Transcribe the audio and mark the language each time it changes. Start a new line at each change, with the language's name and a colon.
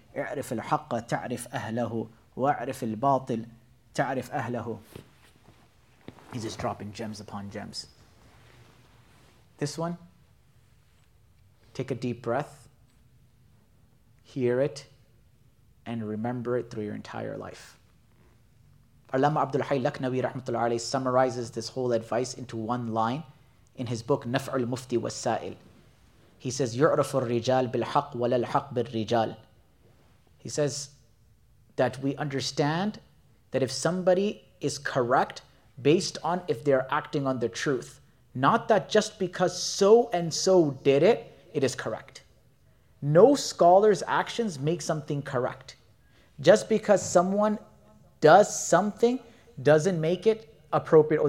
Arabic: اعرف الحق تعرف أهله واعرف الباطل تعرف أهله.
English: He's just dropping gems upon gems. This one, take a deep breath, hear it, and remember it through your entire life. Allama Abdul Hayy Laknawi rahmatullah alayhi summarizes this whole advice into one line in his book Naf'ul Mufti Wasail. He says,
Arabic: يُعْرَفُ الرِّجَالِ بِالْحَقِّ وَلَا الْحَقِّ بِالْرِّجَالِ.
English: He says that we understand that if somebody is correct based on if they're acting on the truth, not that just because so-and-so did it, it is correct. No scholar's actions make something correct. Just because someone does something doesn't make it appropriate.